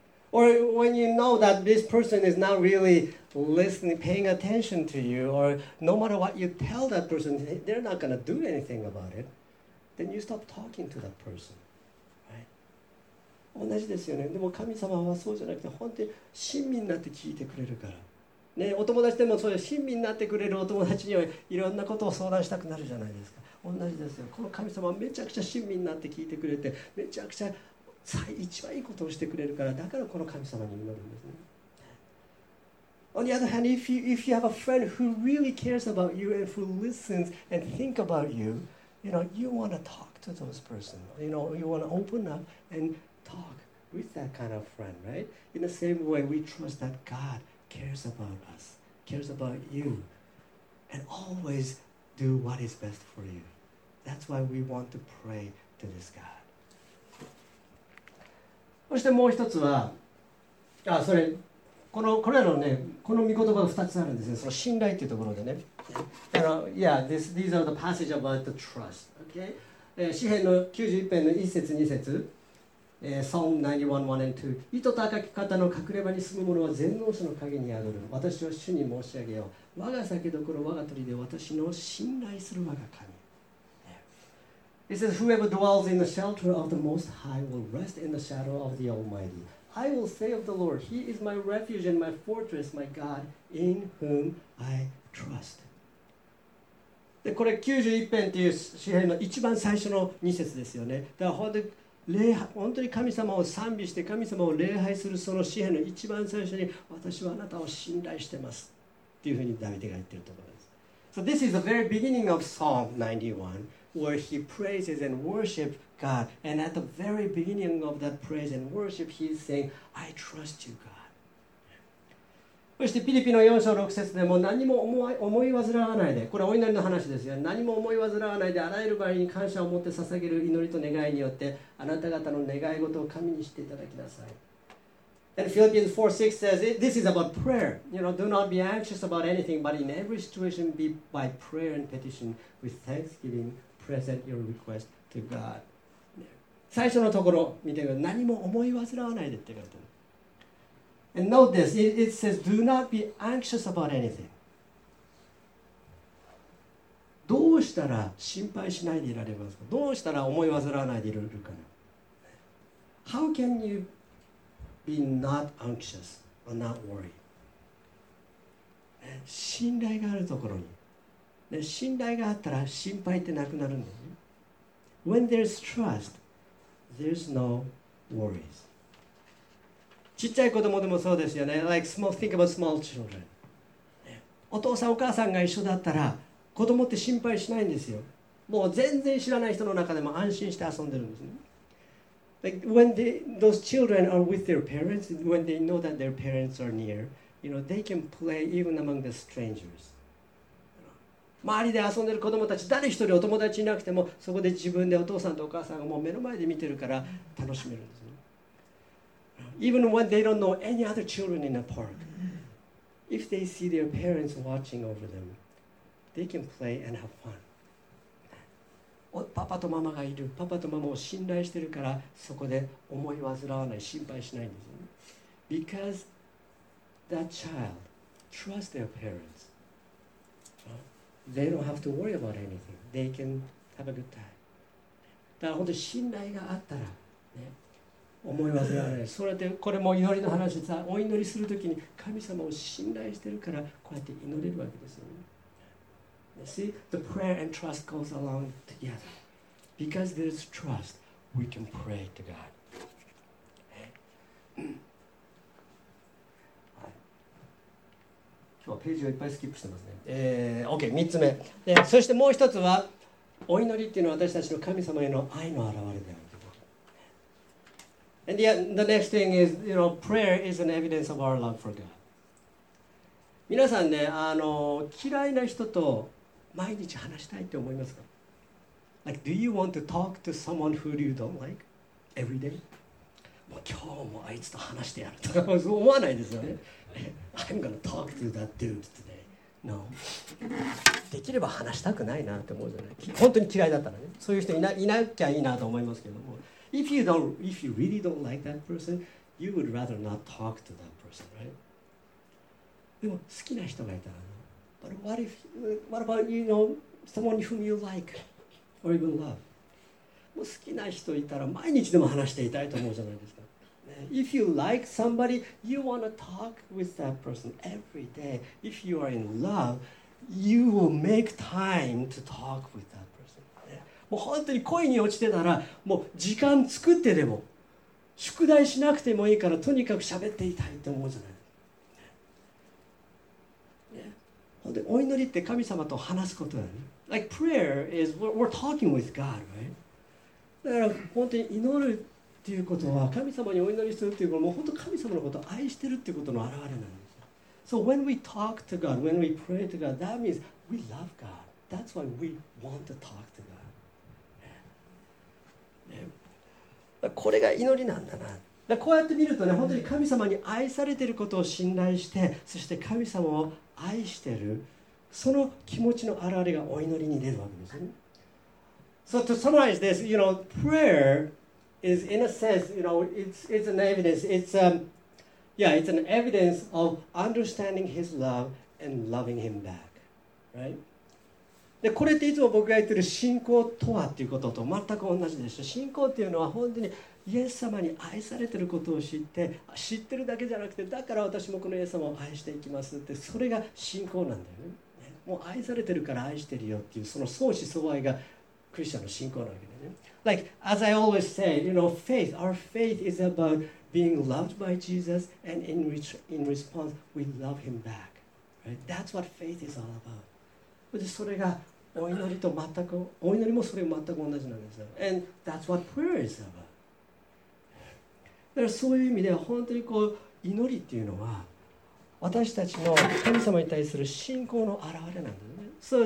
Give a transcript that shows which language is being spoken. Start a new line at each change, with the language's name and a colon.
English: Or when you know that this person is not really listening, paying attention to you, or no matter what you tell that person, they're not going to do anything about it, then you stop talking to that person. Right?
Japanese: 同じですよね。でも神様はそうじゃなくて、本当に親身になって聞いてくれるから。ね、お友達でもそういう親身になってくれるお友達にはいろんなことを相談したくなるじゃないですか。同じですよ。この神様はめちゃくちゃ親身になって聞いてくれて、めちゃくちゃ一番いいことをしてくれるから、だからこの神様に祈るんですね。
English: On the other hand, if you have a friend who really cares about you and who listens and think about you, you know, you want to talk to those person. You know, you want to open up and talk with that kind of friend, right? In the same way, we trust that God cares about us, cares about you, and always do what is best for you. That's why we want to pray to this God.
Japanese: そしてもう一つは、あ、それ、これらのね、この御言葉が二つあるんですね。その信頼っていうところでね。
English: These are the passage about the trust. Okay?
Japanese: 詩編の91編の1節2節、
English: Psalm 91:1-2。
Japanese: 糸と高き方の隠れ場に住む者は全能者の陰に宿る。私は主に申し上げよう。我が酒どころ、我が砦で私の信頼する我が神。
English: It says, whoever dwells in the shelter of the Most High will rest in the shadow of the Almighty. I will say of the Lord, He is my refuge and my fortress, my God, in whom I trust.
Japanese: でこれ91編という詩篇の一番最初の2節ですよね。だから本当に神様を賛美して神様を礼拝するその詩篇の一番最初に私はあなたを信頼してますっていうふうにダビデが言ってるところです。
English: So this is the very beginning of Psalm 91 where he praises and worships God. And at the very beginning of that praise and worship he's saying I trust you God.
Japanese: そしてピリピの4章6節でも何も思い煩わないで、これはお祈りの話ですよ。何も思い煩わないで、あらゆる場合に感謝を持って捧げる祈りと願いによってあなた方の願い事を神にしていただきなさい。
English: And Philippians 4:6 says, this is about prayer. You know, do not be anxious about anything, but in every situation be by prayer and petition with thanksgiving, present your request to God.
Japanese: 最初のところ見てください。何も思い煩わないでって書いてある。
English: And note this, it says, do not be anxious about anything.
Japanese: どうしたら心配しないでいられますか？どうしたら思い煩わないでいられるかな？
English: How can you... Be not anxious or not worried.、
Japanese: ね、信頼があるところに、ね、信頼があったら心配ってなくなるんだよね。
English: When there's trust, there's no worries.
Japanese: ちっちゃい子供でもそうですよね。
English: Like small, think about small children.、
Japanese: ね、お父さんお母さんが一緒だったら子供って心配しないんですよ。もう全然知らない人の中でも安心して遊んでるんですね。
English: Like when those children are with their parents, when they know that their parents are near, you know, they can play even among the strangers.
Japanese: 周りで遊んでる子供たち、誰一人お友達いなくても、そこで自分でお父さんとお母さんがもう目の前で見てるから楽しめるんですね。
English: Even when they don't know any other children in the park, if they see their parents watching over them, they can play and have fun.
Japanese: パパとママがいる、パパとママを信頼してるからそこで思い煩わない、心配しないんですよね。
English: Because that child trusts their parents, they don't have to worry about anything. They can have a good time.
Japanese: だから本当に信頼があったら、ね、思い煩わない。それでこれも祈りの話でさ、お祈りするときに神様を信頼してるからこうやって祈れるわけですよね。
English: See, the prayer and trust goes along together. Because there's trust, we can pray to God.
Japanese: はい、今日はページをいっぱいスキップしてますね。 OK、3つ目。で、そしてもう一つは、お祈りっていうのは私たちの神様への愛の表れである。
English: And yet, the next thing is, you know, prayer is an evidence of our love for God.
Japanese: 皆さんね、嫌いな人と毎日話したいって思いますか？
English: Like, do you want to talk to someone who you don't like every day?
Japanese: もう今日もあいつと話してやるとか思わないですよね。
English: I'm gonna talk to that dude today. No.
Japanese: できれば話したくないなって思うじゃない。本当に嫌いだったらね。そういう人いなきゃいいなと思いますけども。
English: If you really don't like that person, you would rather not talk to that person, right?
Japanese: でも好きな人がいたら、ね、
English: But what about, you know, someone whom you like or even love?
Japanese: もう好きな人いたら毎日でも話していたいと思うじゃないですか。
English: If you like somebody, you want to talk with that person every day. If you are in love, you will make time to talk with that person.
Japanese: もう本当に恋に落ちてたら、もう時間作ってでも、宿題しなくてもいいから、とにかく喋っていたいと思うじゃないですか。でお祈りって神様と話すことだね。
English: Like prayer is we're talking with God, right?
Japanese: だから本当に祈るっていうことは神様にお祈りするっていうことも本当神様のことを愛してるっていうことの表れなんですよ。
English: So when we talk to God, when we pray to God, that means we love God. That's why we want to talk to God.
Japanese: ね、これが祈りなんだな。だこうやって見るとね、本当に神様に愛されていることを信頼して、そして神様を愛してる、その気持ちの表れがお祈りに出るわけですね。
English: So to summarize this, you know, prayer is in a sense, you know, it's an evidence. It's an evidence of understanding his love and loving him back, right?
Japanese: で、これっていつも僕が言ってる信仰とはっていうことと全く同じでしょ。信仰っていうのは本当にイエス様に愛されてることを知って、知ってるだけじゃなくて、だから私もこのイエス様を愛していきますって、それが信仰なんだよね。もう愛されてるから愛してるよっていうその相思相愛がクリスチャンの信仰なわけでね。
English: Like as I always say, you know, faith. Our faith is about being loved by Jesus, and in response, we love Him back. Right? That's what faith is all about.
Japanese: でそれがお祈りと全くお祈りもそれ全く同じなんですよ。
English: And that's what prayer is about.
Japanese: だからそういう意味では本当にこう祈りっていうのは私たちの神様に対する信仰の表れなんですね。